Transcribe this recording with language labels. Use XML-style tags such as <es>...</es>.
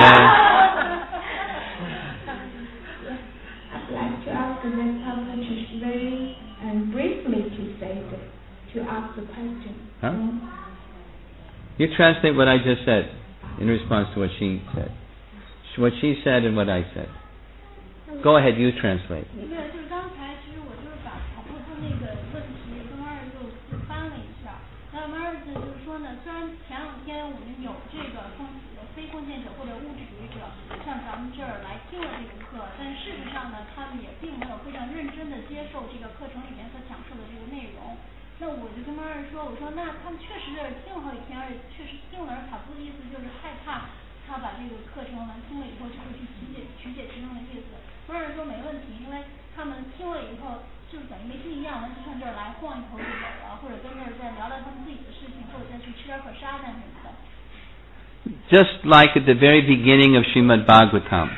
<en>I'd like to ask the next person to say, and briefly to say, to ask the question. You translate what I just said in response to what she said. What she said and what I said. Go ahead, you translate.</en> <zh>对，就是刚才其实我就是把曹婆婆那个问题跟妈儿就翻了一下。那妈儿就是说呢，虽然前两天我们有这个非奉献者或者物质主义者上咱们这儿来听了这个课，但事实上呢，他们也并没有非常认真的接受这个课程里面所讲述的这个内容。那我就跟妈儿说，我说那他们确实是听了好几天，而且确实听了，而曹婆婆的意思就是害怕他把这个课程完听了以后就会去曲解其中的意思。不是说没问题，因为他们听了以后就是等于没听一样，就上这儿来晃一头就走了，或者跟那儿再聊聊他们自己的事情，或者再去吃点可沙蛋什么的。</zh> <en>Just like at the very beginning of Srimad Bhagavatam.</en>